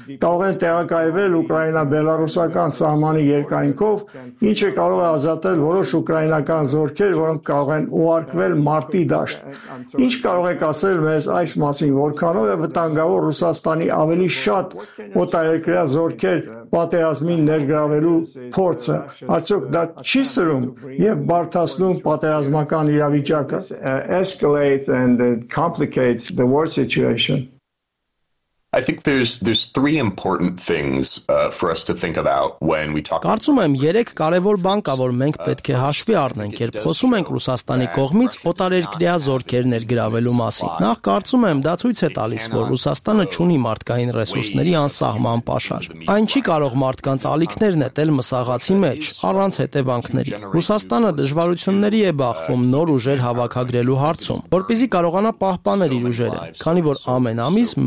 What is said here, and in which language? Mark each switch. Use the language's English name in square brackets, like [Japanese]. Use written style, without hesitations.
[Armenian] կարող են տեղակայվել Ուկրաինա-Բելարուսական սահմանի երկայնքով, ինչը կարող է ազատել որոշ ուկրաինական զորքեր, որոնք կարող են ուղարկվել Մարտի դաշտ։ Ինչ կարող եք ասել մեզ այս մասին, որքանով է վտանգավոր Ռուսաստանի ավելի շատ օտարերկրյա զորքեր պատերազմին ներգրավելու փորձը, արդյոք դա չի սրում եւ բարձրացնում պատերազմական իրավիճակը? [English] Escalates and complicates the war situation. I think there's three important things for us to think about when we talk. [Armenian] Կարծում եմ 3 կարևոր բան կա, որ մենք պետք է հաշվի առնենք, երբ խոսում ենք Ռուսաստանի կողմից օտարերկրյա զորքեր ներգրավելու մասին։ Նախ, կարծում եմ, դա ցույց է տալիս, որ Ռուսաստանը չունի մարդկային ռեսուրսների անսահման պաշար։ Այն չի կարող մարդկանց ալիքներ նետել մսաղացի մեջ առանց հետևանքների։ Ռուսաստանը դժվարությունների է բախվում նոր ուժեր հավաքագրելու հարցում, որպեսզի կարողանա պահպանել իր ուժերը, քանի որ ամեն ամիս